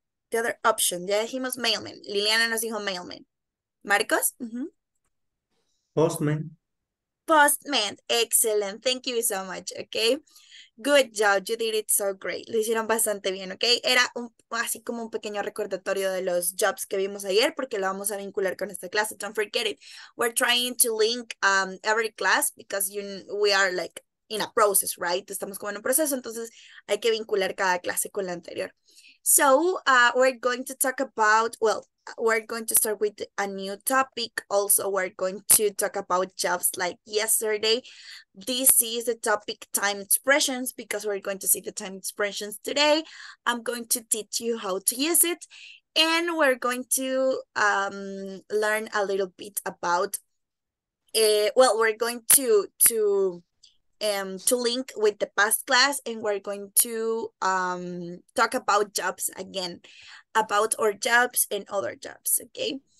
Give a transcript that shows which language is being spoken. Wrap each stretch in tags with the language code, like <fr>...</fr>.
<en>The other option.</en> <es>Ya dijimos mailman. Liliana nos dijo mailman. ¿Marcos?</es> <en>Postman. Postman. Excellent. Thank you so much. Okay. Good job. You did it so great.</en> <es>Lo hicieron bastante bien.</es> <en>Okay.</en> <es>Era un, así como un pequeño recordatorio de los jobs que vimos ayer porque lo vamos a vincular con esta clase.</es> <en>Don't forget it. We're trying to link every class because you, we are like in a process, right?</en> <es>Estamos como en un proceso. Entonces hay que vincular cada clase con la anterior.</es> <en>So we're going to talk about, well, we're going to start with a new topic. Also, we're going to talk about jobs like yesterday. This is the topic time expressions because we're going to see the time expressions today. I'm going to teach you how to use it. And we're going to learn a little bit about, well, we're going to link with the past class, and we're going to talk about jobs again, about our jobs and other jobs, okay?</en>